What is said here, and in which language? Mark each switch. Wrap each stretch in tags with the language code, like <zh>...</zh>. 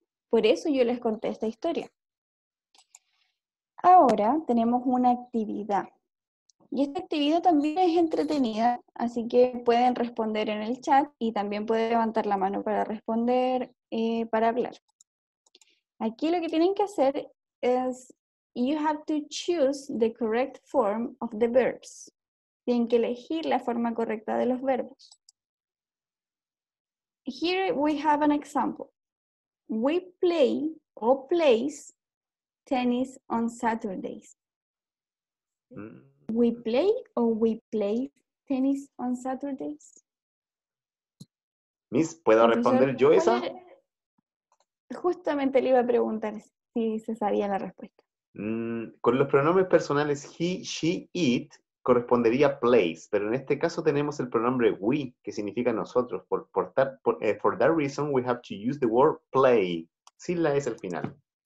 <es>Por eso yo les conté esta historia. Ahora tenemos una actividad. Y esta actividad también es entretenida, así que pueden responder en el chat y también pueden levantar la mano para responder, para hablar. Aquí lo que tienen que hacer es...</es> <en>You have to choose the correct form of the verbs.</en> <es>Tienen que elegir la forma correcta de los verbos.</es> <en>Here we have an example. We play or plays tennis on Saturdays. We play or we play tennis on Saturdays.</en> <es>Miss, ¿puedo responder yo esa? Justamente le iba a preguntar si se sabía la respuesta. Con los pronombres personales he, she, it correspondería place, pero en este caso tenemos el pronombre we, que significa nosotros.</es> <en>For that reason, we have to use the word play,</en> <es>sin la S al final.</es>